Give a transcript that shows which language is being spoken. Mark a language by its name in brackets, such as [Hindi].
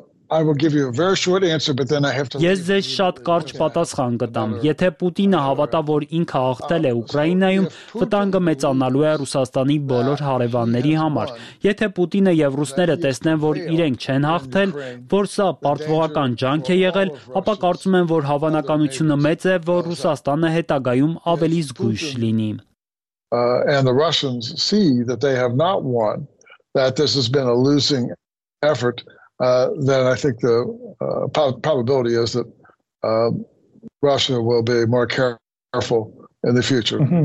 [English] I will give you a very short answer, but then I have to. [Armenian] Ես ձեզ շատ կարճ պատասխան կտամ։ Եթե Պուտինը հավատա, որ ինքը հաղթել է Ուկրաինայում, վտանգը մեծանալու է Ռուսաստանի բոլոր հարևանների համար։ Եթե Պուտինը և ռուսները տեսնեն, որ իրենք չեն հաղթել, որ սա պարտվողական ջանք է եղել, ապա կարծում եմ, որ հավանականությունը մեծ է, որ Ռուսաստանը հետագայում ավելի զգույշ լինի։ [English] And the Russians see that they have not won, that this has been a losing effort. Then I think the probability is that Russia will be more careful in the future.